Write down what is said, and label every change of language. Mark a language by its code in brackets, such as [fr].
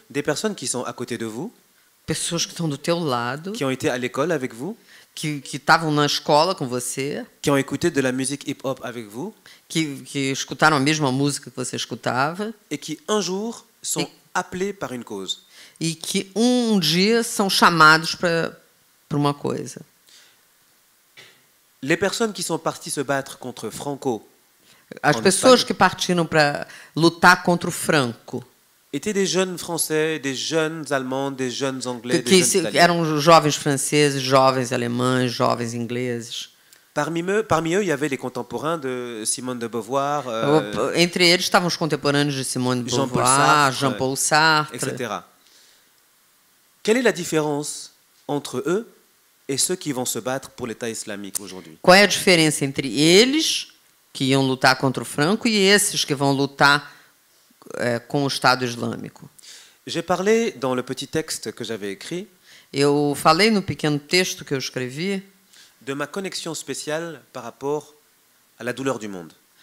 [fr] Des personnes qui sont à côté de vous. [pt] Pessoas que estão do teu lado. [fr] Qui ont été à l'école avec vous. [pt] Que estavam na escola com você. [fr] Qui ont écouté de la musique hip-hop avec vous. [pt] Que escutaram a mesma música que você escutava. [fr] Et qui un jour sont appelés par une cause. [pt] E que um dia são chamados para uma coisa. [fr] Les personnes qui sont parties se battre contre Franco. [pt] As pessoas que partiram para lutar contra o Franco. [fr] Étaient des jeunes français, des jeunes allemands, des jeunes anglais, [pt] que, [fr] des jeunes italiens. [pt] Eram jovens franceses, jovens alemães, jovens ingleses. [fr] Parmi eux, il y avait les contemporains de Simone de Beauvoir. [pt] Entre eles estavam os contemporâneos de Simone de Beauvoir, Jean-Paul Sartre, etc. [fr] Quelle est la différence entre eux et ceux qui vont se battre pour l'État islamique aujourd'hui? [pt] Qual é a diferença entre eles que iam lutar contra o Franco e esses que vão lutar com o Estado Islâmico? [fr] J'ai parlé dans le petit texte que j'avais écrit. [pt] Eu falei no pequeno texto que eu escrevi. [fr] De ma connexion spéciale par rapport à la douleur du monde.